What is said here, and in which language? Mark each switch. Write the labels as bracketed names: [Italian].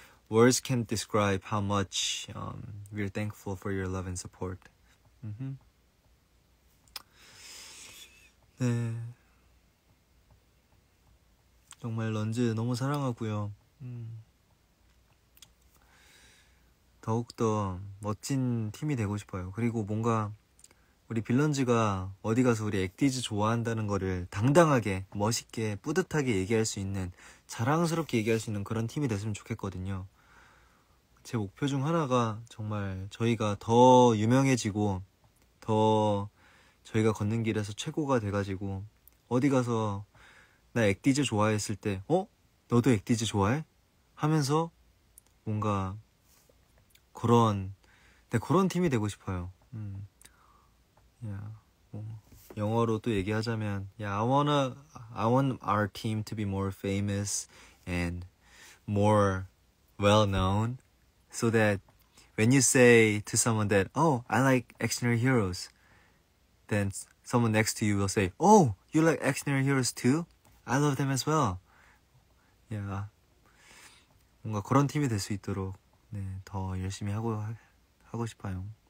[English] Words can't describe how much we're thankful for your love and support. [Korean] 네, 정말 런즈 너무 사랑하고요. 더욱더 멋진 팀이 되고 싶어요. 그리고 뭔가 우리 빌런즈가 어디 가서 우리 액티즈 좋아한다는 거를 당당하게 멋있게 뿌듯하게 얘기할 수 있는 자랑스럽게 얘기할 수 있는 그런 팀이 됐으면 좋겠거든요. 제 목표 중 하나가 정말 저희가 더 유명해지고 더 저희가 걷는 길에서 최고가 돼가지고 어디 가서 나 액티즈 좋아했을 때 어? 너도 액티즈 좋아해? 하면서 뭔가 그런 네, 그런 팀이 되고 싶어요. 영어로도 얘기하자면 [English] I want our team to be more famous and more well known so that when you say to someone that oh I like Action Heroes then someone next to you will say oh you like Action Heroes too I love them as well yeah [Korean] 뭔가 그런 팀이 될 수 있도록 네, 더 열심히 하고 싶어요.